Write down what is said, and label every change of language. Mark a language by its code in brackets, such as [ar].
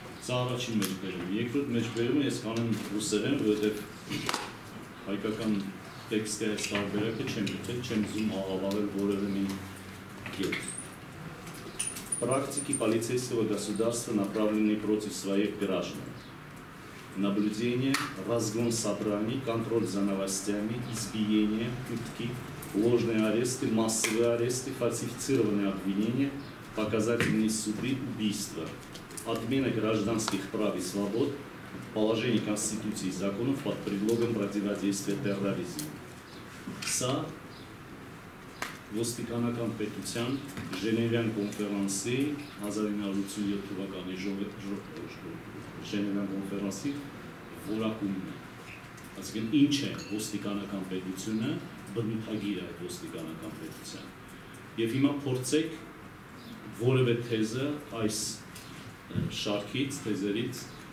[hy] Սա առաջին մեջ բերում, երկրորդ մեջ բերում, ես կանեմ ռուսերեն, որովհետև հայկական տեքստի այս տարբերակը չեմ գտել, չեմ ուզում աղավաղել որևէ մի կետ։ [ru] Практики полицейского государства направлены против своих граждан. Наблюдение, разгон собраний, контроль за новостями, избиения, пытки, ложные аресты, массовые аресты, фальсифицированные обвинения, показательные суды, убийства, отмена гражданских прав и свобод, положение Конституции и законов под предлогом противодействия терроризму. [hy] СА ոստիկանական պետության ժեներյան կոնֆերանսի 1987 թվականի ժեներյան կոնֆերանսի որակումն է, այսինքն ինչ է ոստիկանական պետությունը, բնութագիր այդ ոստիկանական պետության։ Եվ հիմա փորձեք որևէ թեզը այս շարքից, թեզերից